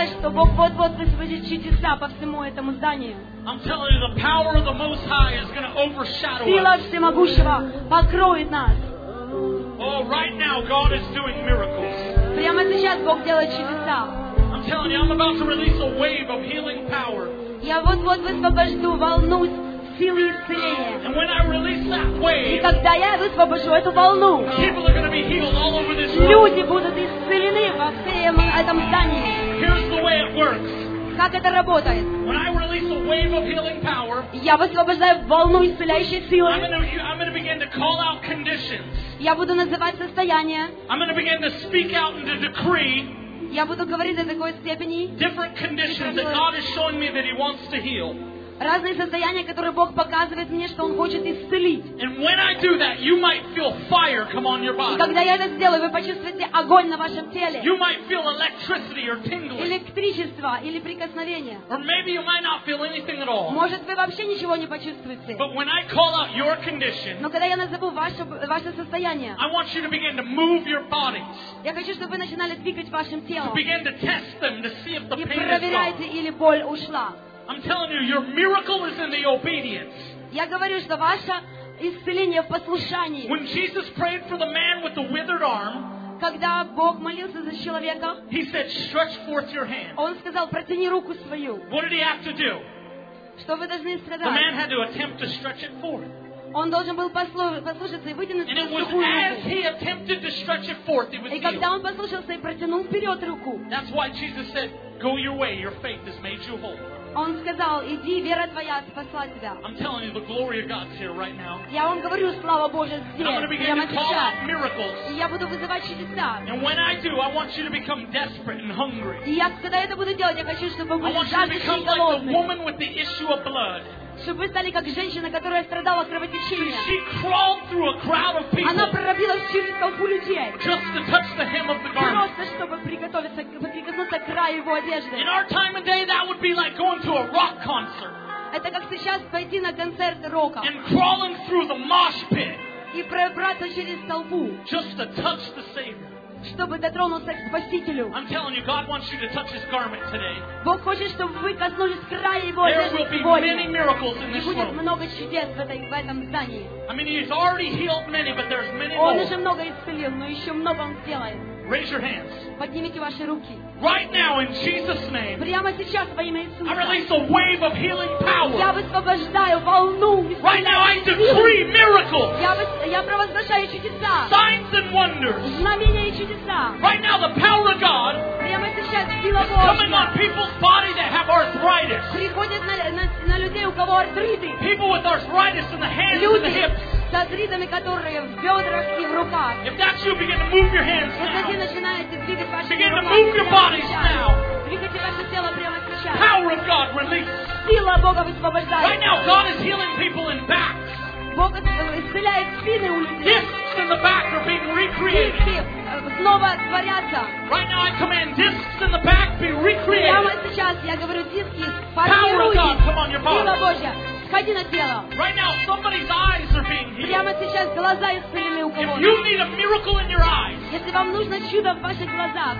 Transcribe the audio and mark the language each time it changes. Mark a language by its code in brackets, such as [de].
[ru] Бог вот-вот произведет чудеса по всему этому зданию. [en] I'm telling you, the power of the Most High is going to overshadow us. [ru] Сила всемогущего покроет нас. [en] Oh, right now God is doing miracles. [ru] Прямо сейчас Бог делает чудеса. [en] I'm telling you, I'm about to release a wave of healing power. [ru] Я вот-вот высвобожу волну силы исцеления. [en] And when I release that wave, [ru] и когда я высвобожу эту волну, [en] people are going to be healed all over this world. [ru] Люди будут исцелены во всем этом здании. [en] Here's the way it works. [ru] Как это работает? [en] When I release a wave of healing power, [ru] я высвобождаю волну исцеляющей силы. [en] I'm going to begin to call out conditions. [ru] Я буду называть состояния. [en] I'm going to begin to speak out and to decree. [ru] Я буду говорить о такой степени. [en] Different conditions that God is showing me that He wants to heal. [ru] Разные состояния, которые Бог показывает мне, что Он хочет исцелить. [en] And when I do that, you might feel fire come on your body. [ru] И когда я это сделаю, вы почувствуете огонь на вашем теле. [en] You might feel electricity or tingling. [ru] Электричество или прикосновение. [en] Or maybe you might not feel anything at all. [ru] Может, вы вообще ничего не почувствуете. [en] But when I call out your condition, [ru] но когда я назову ваше состояние, [en] I want you to begin to move your bodies. [ru] Я хочу, чтобы вы начинали двигать вашим телом. [en] To begin to test them to see if the pain is gone. [ru] И проверяйте, или боль ушла. [en] I'm telling you, your miracle is in the obedience. [ru] Я говорю, что ваше исцеление в послушании. [en] When Jesus prayed for the man with the withered arm, [ru] когда Бог молился за человека, [en] He said, "Stretch forth your hand." [ru] Он сказал, протяни руку свою. [en] What did he have to do? [ru] Что вы должны сказать? [en] The man had to attempt to stretch it forth. [ru] Он должен был послушаться и вытянуть свою руку. [en] And it was as he attempted to stretch it forth, he was healed. [ru] И когда он послушался и протянул вперед руку. [en] That's why Jesus said, "Go your way. Your faith has made you whole." [ru] Он сказал, иди, вера твоя спасла тебя. [en] I'm telling you, the glory of God's here right now. [ru] Я вам говорю, слава Божия здесь. [en] I'm going to begin to call out miracles. [ru] И я буду вызывать чудеса. [en] And when I do, I want you to become desperate and hungry. [ru] И я, когда это буду делать, я хочу, чтобы вы были жаждущие и голодные. [en] I want you to become like the woman with the issue of blood. [ru] Чтобы вы стали как женщина, которая страдала кровотечением. [en] She crawled through a crowd of people. [ru] Она прорвалась через толпу людей. [en] Just to touch the hem of the garment. [ru] Просто чтобы прикоснуться к краю его одежды. [en] In our time and day, that would be like going to a rock concert. [ru] Это как сейчас пойти на концерт рока. [en] And crawling through the mosh pit. [ru] И пробраться через толпу. [en] Just to touch the Savior. [ru] Чтобы дотронуться к Спасителю. [en] I'm telling you, God wants you to touch His garment today. [ru] Бог хочет, чтобы вы коснулись края Его одежды. [en] There will be many miracles in this room. [ru] И будет много чудес в этом здании. [en] I mean, He's already healed many, but there's many [ru] он [en] more. [ru] Он уже много исцелил, но еще много Он сделает. [en] Raise your hands. [ru] Поднимите ваши руки. [en] Right now, in Jesus' name. [ru] Прямо сейчас во имя Иисуса. [en] I release a wave of healing power. [ru] Я высвобождаю волну. [en] Right now, I decree miracles. [ru] Я провозглашаю чудеса. [en] Signs and wonders. [ru] Знамения и чудеса. [en] Right now, the power of God. [ru] Прямо сейчас сила Божья. [en] Coming on people's body that have arthritis. [ru] Приходит на людей, у кого артриты. [en] People with arthritis in the hands and the hips. [ru] С артритами, которые в бедрах и в руках. [en] If that's you, begin to move your hands now. [ru] Вы начинаете двигать ваши руки. [en] Begin to move your bodies now. [ru] Двигайте ваше тело прямо сейчас. [en] Power of God release. [ru] Сила Бога высвобождает. [en] Right now, God is healing people in backs. [ru] Бог исцеляет спины у людей. [en] Discs in the back are being recreated. [ru] Снова творятся. [en] Right now, I command discs in the back be recreated. [ru] Прямо сейчас я говорю, диски формируйте. Сила Божья. Сходи на тело. [en] Right now, somebody's eyes are being healed. [ru] Прямо сейчас глаза исцелены у кого-то. [en] If you need a miracle in your eyes, [ru] если вам нужно чудо в ваших глазах,